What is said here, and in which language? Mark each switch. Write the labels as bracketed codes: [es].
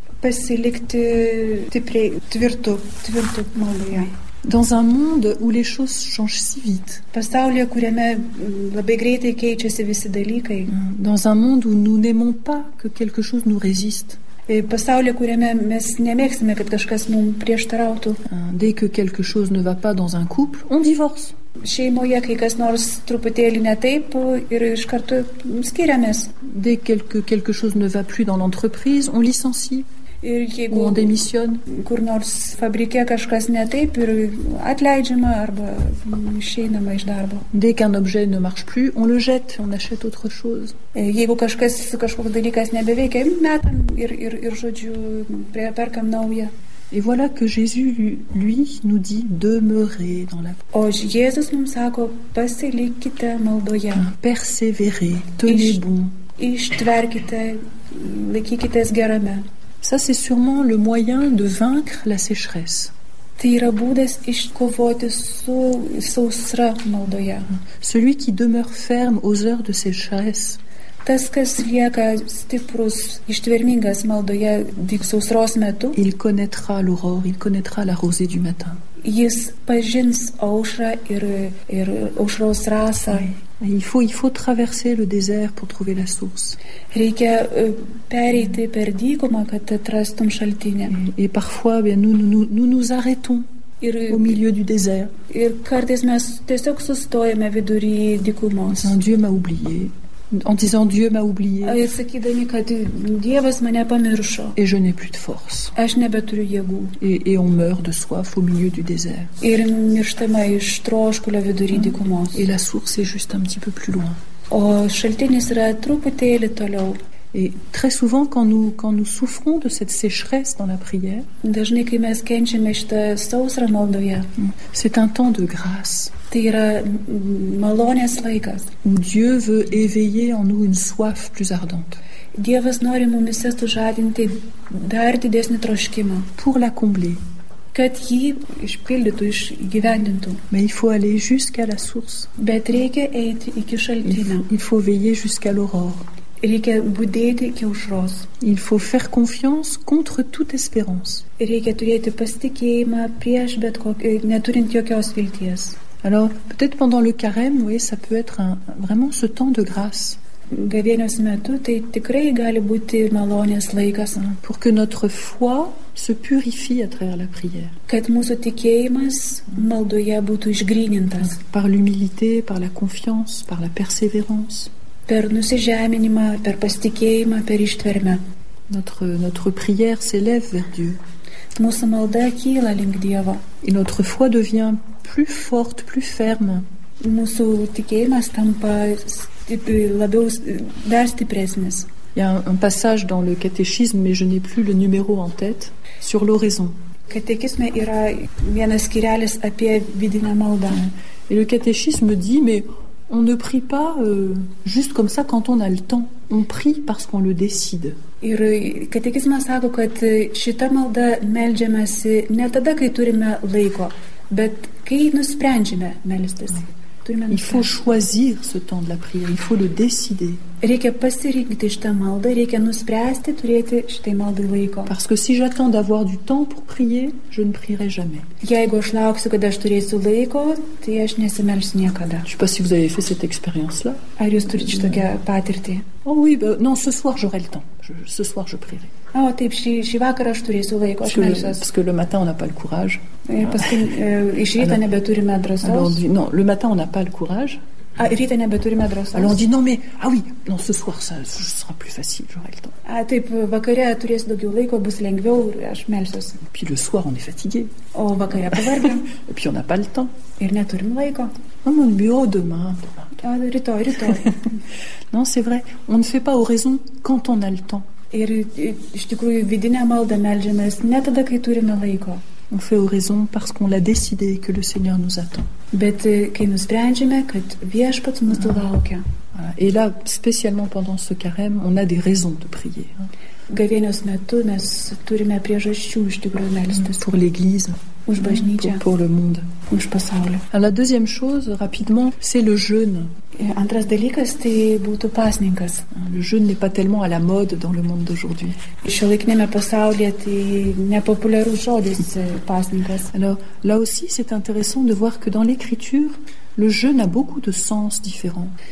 [lt] Pasilikti stipriai, tvirtu maldoje. [fr] Dans un monde où les choses changent si vite. [lt] Pasaulyje, kuriame labai greitai keičiasi visi dalykai. [fr] Dans un monde où nous n'aimons pas que quelque chose nous résiste. [lt] Pasaulyje, kuriame mes nemėgstame, kad kažkas mum prieštarautų. [fr] Dès que quelque chose ne va pas dans un couple, on divorce. [lt] Šeimoje, kai kas nors truputėlį ne taip, ir iš karto skiriamės. [fr] Dès que quelque chose ne va plus dans l'entreprise, on licencie. [lt] Ir jeigu kur nors fabrike kažkas ne taip ir atleidžiama arba išeinama iš darbo. [fr] Dès qu'un objet ne marche plus, on le jette, on achète autre chose. [lt] Jeigu kažkoks dalykas nebeveikia, metam ir žodžiu, perkam naują. [fr] Et voilà que Jésus lui nous dit demeurer dans la. [lt] O Jėzus mums sako, pasilikite maldoje. [fr] Persévérez, tenez bon. [lt] Ištverkite, laikykitės gerame. [fr] Ça, c'est sûrement le moyen de vaincre la sécheresse. [lt] Tai yra būdas iškovoti su sausra maldoje. [fr] Celui qui demeure ferme aux heures de sécheresse. [lt] Tas, kas lieka stiprus, ištvermingas maldoje dik sausros metu. [fr] Il connaîtra l'aurore, il connaîtra la rosée du matin. [lt] Jis pažins aušrą ir aušros rasą. [fr] Il faut traverser le désert pour trouver la source. [lt] Reikia pereiti per dykumą, kad atrastum šaltinį. [fr] Et parfois, nous arrêtons au milieu du désert. [lt] Ir kartais mes tiesiog sustojame vidury dykumos. [fr] Dieu m'a oublié. En disant Dieu m'a oublié. [lt] Sakydami, kad Dievas mane pamiršo. [fr] Et je n'ai plus de force. [lt] Aš nebeturiu jėgų. [fr] Et on meurt de soif au milieu du désert. [lt] Ir mirštama iš troškulio vidury dykumos. [fr] Et la source est juste un petit peu plus loin. [lt] O šaltinis yra truputėlį toliau. [fr] Et très souvent quand nous souffrons de cette sécheresse dans la prière, [lt] dažnai kai mes kenčiame šitą sausrą maldoje, [fr] c'est un temps de grâce. [lt] Tai yra malonės laikas. [fr] Où Dieu veut éveiller en nous une soif plus ardente. [lt] Dievas nori mumyse sužadinti dar didesnį troškimą. [fr] Pour la combler. [lt] Kad jį išpildytų, išgyvendintų. [fr] Mais il faut aller jusqu'à la source. [lt] Bet reikia eiti iki šaltinio. [fr] Il faut veiller jusqu'à l'aurore. [lt] Reikia budėti iki aušros. [fr] Il faut faire confiance contre toute espérance. [lt] Reikia turėti pasitikėjimą prieš bet kokį, neturint jokios vilties. [fr] Alors, peut-être pendant le carême, oui, ça peut être vraiment ce temps de grâce. [lt] Gavėnios metu, tai tikrai gali būti malonės laikas. [fr] Pour que notre foi se purifie à travers la prière. [lt] Kad mūsų tikėjimas maldoje būtų išgrynintas. [fr] Par l'humilité, par la confiance, par la persévérance. [lt] Per nusižeminimą, per pasitikėjimą, per ištvermę. [fr] Notre prière s'élève vers Dieu. [lt] Mūsų malda kyla link Dievo. [fr] Et notre foi devient plus forte, plus ferme. [lt] Mūsų tikėjimas tampa labiau dar stipresnis. [fr] Il y a un passage dans le catéchisme, mais je n'ai plus le numéro en tête, sur l'oraison. [lt] Catéchisme yra vienas skyrelis apie vidinę maldą. [fr] Et le catéchisme dit, mais on ne prie pas juste comme ça quand on a le temps. On prie parce qu'on le décide. [lt] Ir catéchisme sako, kad šita malda meldžiamasi ne tada, kai turime laiko, bet kai nusprendžiame melstis. [fr] Il faut choisir ce temps de la prière, il faut le décider. [lt] Reikia pasirinkti šitą maldą, reikia nuspręsti turėti šitai maldai laiko. [fr] Parce que si j'attends d'avoir du temps pour prier, je ne prierai jamais. [lt] Jeigu aš lauksiu, kad aš turėsiu laiko, tai aš nesimelsiu niekada. [fr] Je sais pas si vous avez fait cette expérience-là. [lt] Ar jūs turite šitokią patirtį? [fr] Oh oui, bah, non, ce soir j'aurai le temps. Ce soir je prierai. [lt] Ah, taip, šį vakarą aš turėsiu laiko, aš melsiuosi. [fr] Parce que le matin on n'a pas le courage. [lt] Ir paskui iš ryto nebeturime drąsos. [fr] Non, le matin on n'a pas le courage. [lt] Ah, ryte nebeturime drąsos. [fr] Alors on dit, non, mais, ah oui, non, ce soir ça sera plus facile, j'aurai le temps. [lt] Ah, taip, vakare turėsiu daugiau laiko, bus lengviau, aš melsiuosi. [fr] Puis le soir on est fatigué. [lt] O vakare pavargę. [fr] Et puis on n'a pas le temps. [lt] Ir neturim laiko. [fr] Non, mais demain. [lt] Ah, rytoj. [fr] Non, c'est vrai, on ne fait pas oraison quand on a le temps. [lt] Ir iš tikrųjų vidinę maldą meldžiamės ne tada, kai turime laiko. [fr] On fait oraison parce qu'on l'a décidé que le Seigneur nous attend. [lt] Bet kai nusprendžiame, kad Viešpats mūsų laukia. [fr] Et là, spécialement pendant ce carême, on a des raisons de prier. [lt] Gavėnios metu mes turime priežasčių iš tikrųjų melstis. [fr] Pour l'Église. [lt] Už bažnyčią. [fr] Pour le monde. [lt] Už pasaulį. [fr] La deuxième chose, rapidement, c'est le jeûne. [lt] Antras dalykas, tai būtų pasninkas. [fr] Le jeûne n'est pas tellement à la mode dans le monde d'aujourd'hui. [lt] Šiuolaikiniame pasaulyje tai nepopuliarus žodis pasninkas. [fr] Alors, là aussi, c'est intéressant de voir que dans l'écriture, le jeûne a beaucoup de sens différents.